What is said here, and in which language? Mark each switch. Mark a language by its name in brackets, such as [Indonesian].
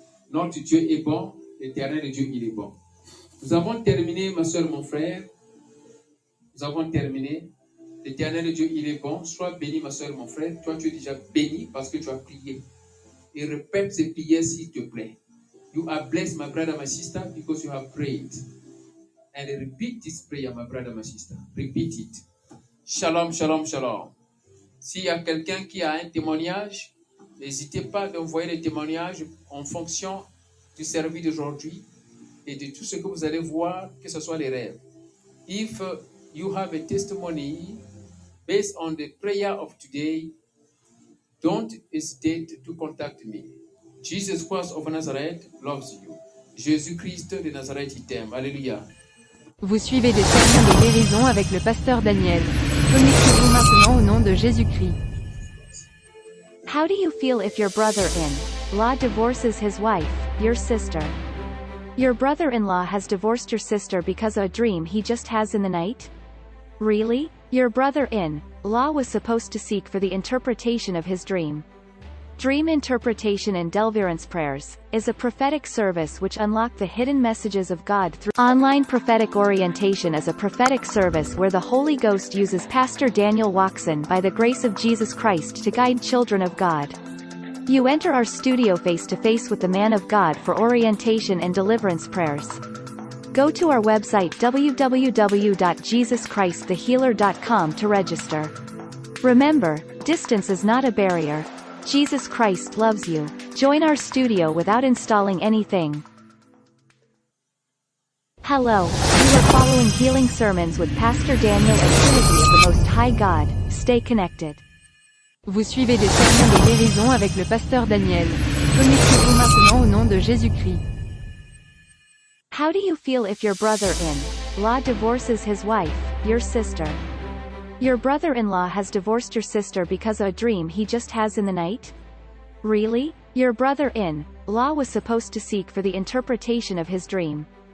[French] Notre Dieu est bon, l'éternel Dieu, il est bon. Nous avons terminé, ma soeur, mon frère. Nous avons terminé. L'éternel Dieu, il est bon. Sois béni, ma soeur, mon frère. Toi, tu es déjà béni parce que tu as prié. Et répète ces prières, s'il te plaît. [English] You are blessed, my brother, my sister, because you have prayed. And repeat this prayer, my brother, my sister. Repeat it. Shalom, shalom, shalom. [French] S'il y a quelqu'un qui a un témoignage, n'hésitez pas à envoyer le témoignage en fonction du service d'aujourd'hui et de tout ce que vous allez voir, que ce soit les rêves. [English] If you have a testimony based on the prayer of today, don't hesitate to contact me. Jesus Christ of Nazareth loves you. [French] Jésus-Christ de Nazareth, il t'aime. [English] Alléluia. [French] Vous suivez des sermons de guérison avec le pasteur Daniel. Connectez-vous maintenant au nom de Jésus-Christ. [English] How do you feel if your brother-in-law divorces his wife, your sister? Your brother-in-law has divorced your sister because of a dream he just has in the night? Really? Your brother-in-law was supposed to seek for the interpretation of his dream. Dream interpretation and Deliverance Prayers is a prophetic service which unlock the hidden messages of God through online prophetic orientation. Is a prophetic service where the Holy Ghost uses Pastor Daniel Waxon by the grace of Jesus Christ to guide children of God. You enter our studio face to face with the man of God for orientation and deliverance prayers. Go to our website www.jesuschristthehealer.com to register. Remember, distance is not a barrier. Jesus Christ loves you. Join our studio without installing anything. Hello, you are following Healing Sermons with Pastor Daniel and Trinity of the Most High God. Stay connected. [French] Vous suivez des sermons de guérison avec le Pasteur Daniel. Connectez-vous maintenant au nom de Jésus-Christ. [English] How do you feel if your brother-in-law divorces his wife, your sister? Your brother-in-law has divorced your sister because of a dream he just has in the night? Really? Your brother-in-law was supposed to seek for the interpretation of his dream.